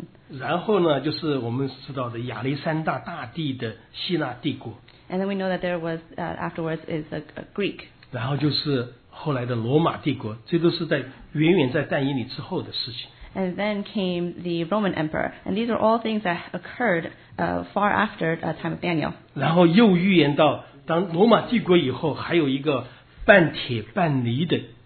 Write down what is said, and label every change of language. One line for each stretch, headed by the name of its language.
Chinese: 然后呢，就是我们知道的亚历山大大帝的希腊帝国。
English: And then we know that there was afterwards is a Greek.
Chinese: 然后就是后来的罗马帝国，这都是在远远在但以理之后的事情。
English: and then came the Roman emperor. And these are all things that occurred far after the time of Daniel.
Chinese: 然后又预言到, 当罗马帝国以后, 还有一个半铁半泥的,